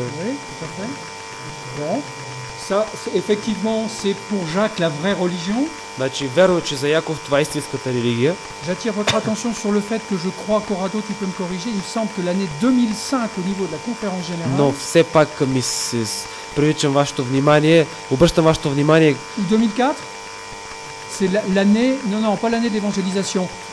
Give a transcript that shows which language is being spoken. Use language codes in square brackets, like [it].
[fr] Oui, tout à fait. Bon. Ça, c'est, effectivement, c'est pour Jacques la vraie religion. J'attire votre attention sur le fait que je crois, Corrado, tu peux me corriger. Il semble que l'année 2005, au niveau de la conférence générale. Non, c'est pas comme ici. [ru] Привлечем ваше внимание. Обращаем ваше внимание. 2004? [fr] C'est l'année, non, pas l'année d'évangélisation.